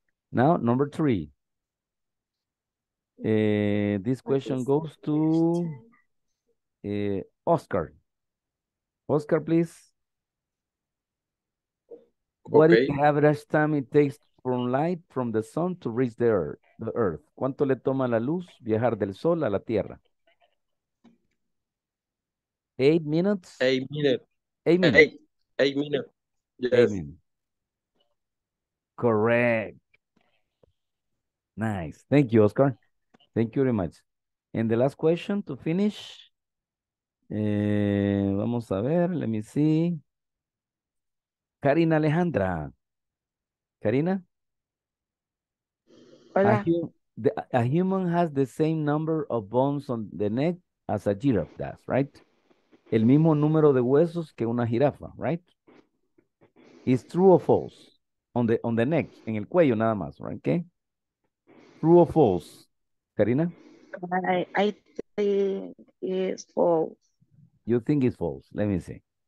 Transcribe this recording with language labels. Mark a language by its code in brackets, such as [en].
[en] Now, number three. This question goes to Oscar. Oscar, please. Okay. What is the average time it takes from light from the sun to reach the earth? [es] ¿Cuánto le toma la luz viajar del sol a la tierra? [en] 8 minutes? 8 minutes. 8 minutes. Eight minutes. Yes. 8 minutes. Correct. Nice. Thank you, Oscar. Thank you very much. And the last question to finish. [es] Vamos a ver. [en] Let me see. Karina Alejandra. Karina? [es] Hola. [en] A human has the same number of bones on the neck as a giraffe does, right? [es] El mismo número de huesos que una jirafa, right? [en] Is true or false? On the neck, [es] en el cuello nada más, [en] right? Okay? True or false? Karina? I think it's false. You think it's false? Let me see.